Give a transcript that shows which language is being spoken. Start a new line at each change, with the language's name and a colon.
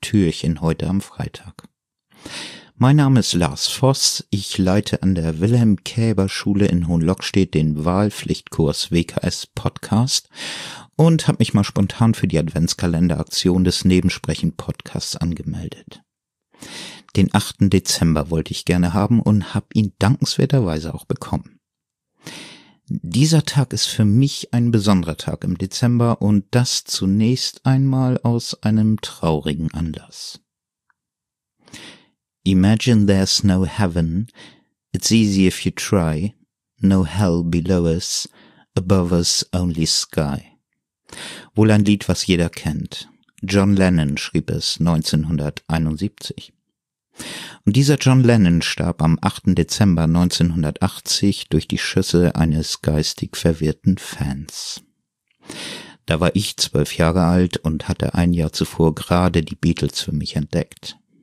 German: Türchen heute am Freitag. Mein Name ist Lars Voss, ich leite an der Wilhelm-Käber-Schule in Hohenlockstedt den Wahlpflichtkurs WKS Podcast und habe mich mal spontan für die Adventskalenderaktion des Nebensprechen Podcasts angemeldet. Den 8. Dezember wollte ich gerne haben und habe ihn dankenswerterweise auch bekommen. Dieser Tag ist für mich ein besonderer Tag im Dezember und das zunächst einmal aus einem traurigen Anlass.
English: Imagine there's no heaven, it's easy if you try, no hell below us, above us only sky.
German: Wohl ein Lied, was jeder kennt. John Lennon schrieb es 1971. Und dieser John Lennon starb am 8. Dezember 1980 durch die Schüsse eines geistig verwirrten Fans. Da war ich 12 Jahre alt und hatte ein Jahr zuvor gerade die Beatles für mich entdeckt.